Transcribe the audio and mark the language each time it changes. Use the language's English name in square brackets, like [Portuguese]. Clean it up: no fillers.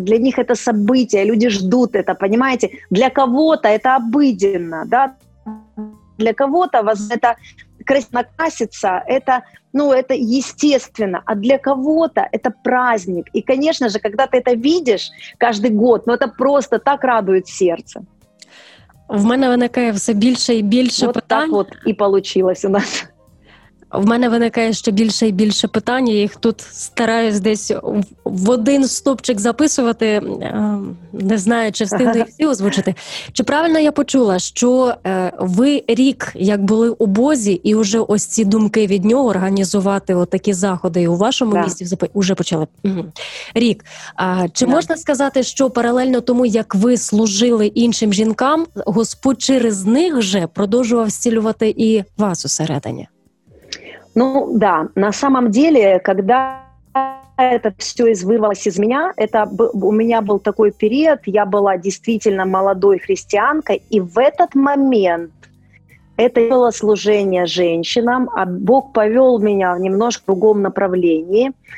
[Russian] Для них это событие, люди ждут это, понимаете? Для кого-то это обыденно, да? Для кого-то это красиво накраситься, это, ну, это естественно, а для кого-то это праздник. И, конечно же, когда ты это видишь каждый год, ну, это просто так радует сердце. [Ukrainian] В мене виникає все більше і більше питань. Так от і вийшло у нас. В мене виникає ще більше і більше питань, я їх тут стараюсь десь в один стопчик записувати, не знаю, чи встигну їх всі озвучити. Чи правильно я почула, що ви рік, як були у Бозі, і вже ось ці думки від нього організувати отакі заходи у вашому місті, вже почали рік. Чи можна сказати, що паралельно тому, як ви служили іншим жінкам, Господь через них же продовжував зцілювати і вас усередині? [Russian] Ну да, на самом деле, когда это все вырвалось из меня, это у меня был такой период, я была действительно молодой христианкой, и в этот момент это было служение женщинам, а Бог повел меня в немножко другом направлении.